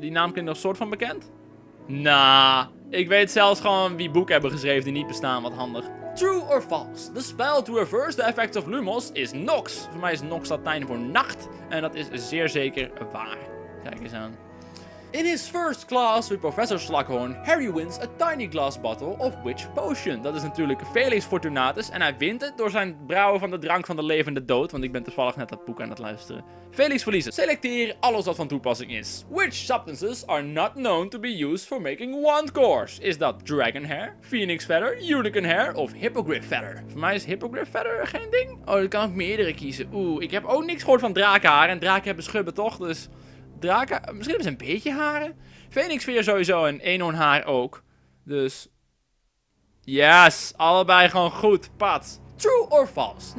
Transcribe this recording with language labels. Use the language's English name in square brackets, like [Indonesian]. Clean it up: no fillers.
[Dutch] Die naam klinkt nog soort van bekend. Nah, ik weet zelfs gewoon wie boeken hebben geschreven die niet bestaan. Wat handig. [English] True or false? The spell to reverse the effects of Lumos is Nox. [Dutch] Voor mij is Nox Latijn voor nacht. En dat is zeer zeker waar. Kijk eens aan. [English] In his first class with Professor Slughorn, Harry wins a tiny glass bottle of which potion? [Dutch] Dat is natuurlijk Felix Fortunatus en hij wint het door zijn brouwen van de drank van de levende dood, want ik ben toevallig net dat boek aan het luisteren. Felix verliezen. Selecteer alles wat van toepassing is. [English] Which substances are not known to be used for making wand cores? [Dutch] Is dat dragon hair, phoenix feather, unicorn hair of hippogriff feather? Voor mij is hippogriff feather geen ding. Oh, dan kan ik meerdere kiezen. Oeh, ik heb ook niks gehoord van drakenhaar en draken hebben schubben toch, dus... Draken, misschien hebben ze een beetje haren. Phoenixveer sowieso en eenhoornhaar ook. Dus... Yes, allebei gewoon goed, pat. [English] True or false?